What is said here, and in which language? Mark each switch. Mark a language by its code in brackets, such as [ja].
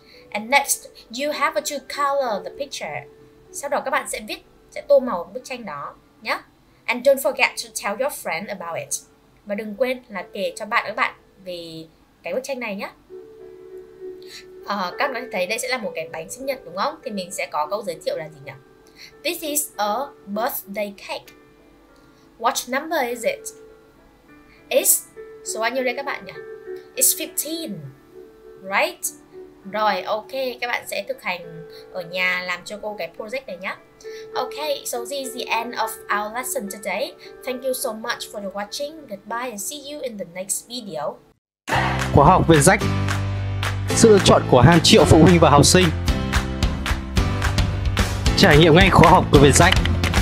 [en] And next, you have to color the picture. [vi] Sau đó các bạn sẽ viết, sẽ tô màu bức tranh đó, nhá. [en] And don't forget to tell your friend about it. [vi] Và đừng quên là kể cho bạn các bạn về cái bức tranh này nhé. Các bạn có thể thấy đây sẽ là một cái bánh sinh nhật, đúng không? Thì mình sẽ có câu giới thiệu là gì nhỉ? [en] This is a birthday cake. What number is it? [vi] It's, số bao nhiêu đây các bạn nhỉ? [en] It's 15, right? [vi] Rồi, okay, các bạn sẽ thực hành ở nhà làm cho cô cái project này nhé. [en] Okay, so this is the end of our lesson today. Thank you so much for watching. Goodbye and see you in the next video. [vi] Khóa học VietJack, sự lựa chọn của hàng triệu phụ huynh và học sinh. Trải nghiệm ngay khóa học của VietJack.